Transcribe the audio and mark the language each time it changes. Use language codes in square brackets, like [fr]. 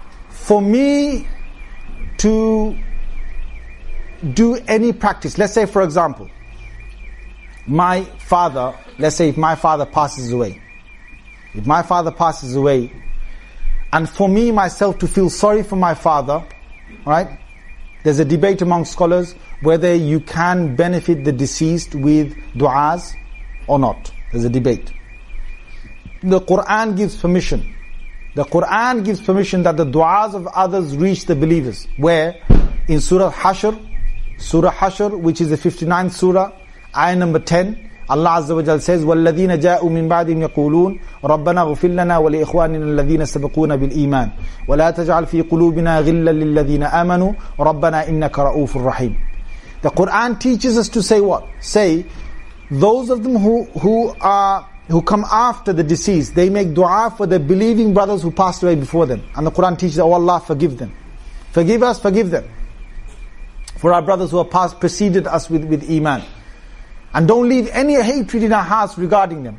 [en] For me to do any practice, let's say for example, my father, let's say if my father passes away, if my father passes away, and for me myself to feel sorry for my father, right? There's a debate among scholars whether you can benefit the deceased with du'as or not. There's a debate. The Quran gives permission. The Quran gives permission that the du'as of others reach the believers. Where? In Surah Hashr, which is the 59th surah, ayah number 10, Allah Azza wa Jal says, [ar] وَالَّذِينَ جَاءُوا مِنْ بَعْدِهِمْ يَقُولُونَ رَبَّنَا غُفِرْ لَنَا وَلِإِخْوَانِنَا الَّذِينَ سَبَقُونَا بِالْإِيمَانِ وَلَا تَجْعَلْ فِي قُلُوبِنَا غِلًّا لِلَّذِينَ آمَنُوا رَبَّنَا إِنَّكَ رَؤُوفٌ رَحِيمٌ. [en] The Quran teaches us to say what? Say, those of them who come after the deceased, they make dua for the believing brothers who passed away before them. And the Quran teaches, oh Allah, forgive them. Forgive us, forgive them. For our brothers who have passed, preceded us with iman. And don't leave any hatred in our hearts regarding them.